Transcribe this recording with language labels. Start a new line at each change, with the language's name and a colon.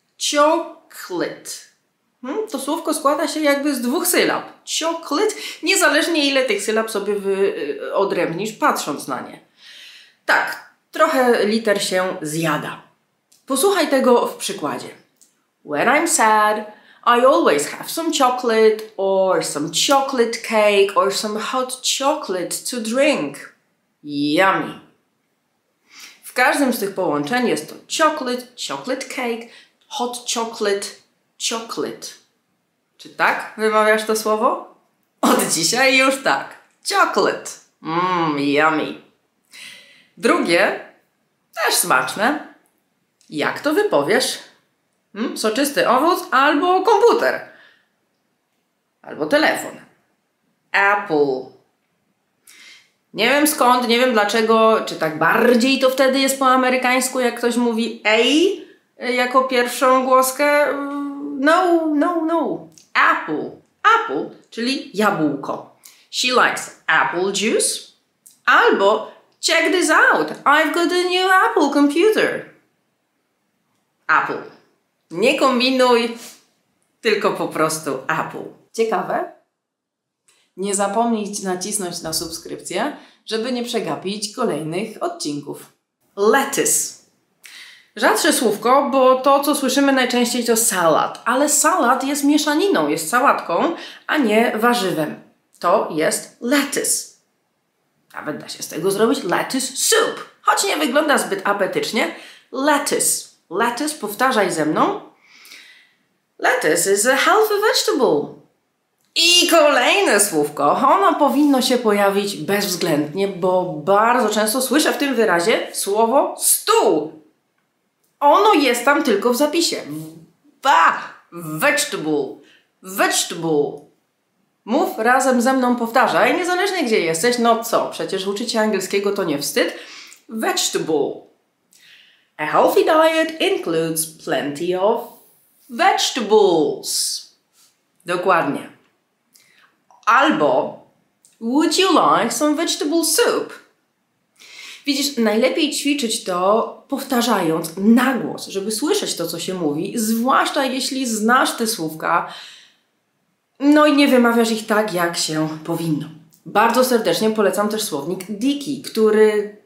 Polish: Chocolate. To słówko składa się jakby z dwóch sylab. Chocolate. Niezależnie ile tych sylab sobie wyodrębnisz, patrząc na nie. Tak, trochę liter się zjada. Posłuchaj tego w przykładzie.
English: When I'm sad, I always have some chocolate, or some chocolate cake, or some hot chocolate to drink. Yummy.
Polish: W każdym z tych połączeń jest to chocolate, chocolate cake, hot chocolate, chocolate. Czy tak wymawiasz to słowo? Od dzisiaj już tak. Chocolate. Yummy. Drugie, też smaczne. Jak to wypowiesz? Soczysty owoc albo komputer. Albo telefon. Apple. Nie wiem skąd, nie wiem dlaczego, czy tak bardziej to wtedy jest po amerykańsku, jak ktoś mówi ej jako pierwszą głoskę. No. Apple. Apple, czyli jabłko.
English: She likes apple juice.
Polish: Albo
English: check this out, I've got a new Apple computer. Apple.
Polish: Nie kombinuj, tylko po prostu Apple. Ciekawe? Nie zapomnij nacisnąć na subskrypcję, żeby nie przegapić kolejnych odcinków.
English: Lettuce.
Polish: Rzadsze słówko, bo to, co słyszymy najczęściej, to salad. Ale salad jest mieszaniną, jest sałatką, a nie warzywem. To jest lettuce. Nawet da się z tego zrobić lettuce soup. Choć nie wygląda zbyt apetycznie, lettuce. Lettuce, powtarzaj ze mną.
English: Lettuce is a healthy vegetable.
Polish: I kolejne słówko. Ono powinno się pojawić bezwzględnie, bo bardzo często słyszę w tym wyrazie słowo stół. Ono jest tam tylko w zapisie. Ba! Vegetable. Vegetable. Mów razem ze mną, powtarzaj. Niezależnie gdzie jesteś, no co? Przecież uczyć się angielskiego to nie wstyd.
English: Vegetable. A healthy diet includes plenty of vegetables.
Polish: Dokładnie. Albo
English: would you like some vegetable soup?
Polish: Widzisz, najlepiej ćwiczyć to powtarzając na głos, żeby słyszeć to, co się mówi, zwłaszcza jeśli znasz te słówka, no i nie wymawiasz ich tak, jak się powinno. Bardzo serdecznie polecam też słownik Dicky, który...